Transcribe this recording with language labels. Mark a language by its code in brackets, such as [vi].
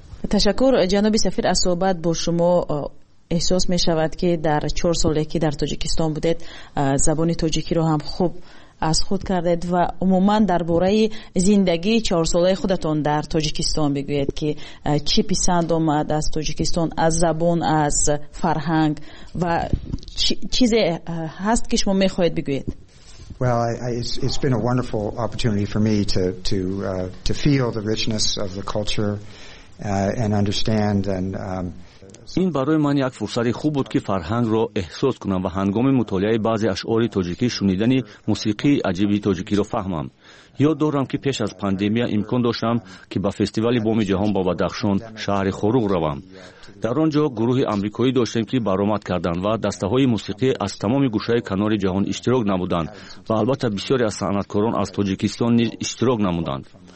[fa] تشکر جناب سفیر از صحبت با شما احساس می شود که در 4 سالی که در تاجیکستان بودید زبان تاجیکی را هم خوب از خود کردید و عموماً درباره زندگی 4 ساله خودتون در تاجیکستان بگویید که چی پسند آمد از تاجیکستان از زبان از فرهنگ و چیزی هست که شما میخواهید بگویید [en] Well, it's been a wonderful opportunity for me to feel the richness of the culture and understand and [fa] این برای من یک فرصت خوب بود که فرهنگ را احساس کنم و هنگام مطالعه بعضی اشعار تاجیکی شنیدن موسیقی عجیبی تاجیکی را فهمم. یاد دارم که پیش از پاندمی امکان داشتم که به فستیوال بوم جهان با بدخشان شهر خروق روم. در آنجا گروه آمریکایی داشتیم که برآمد کردند و دسته های موسیقی از تمام گوشه کنار جهان اشتراک نمودند و البته بسیاری از صنعتکاران از تاجیکستان نیز اشتراک نمودند.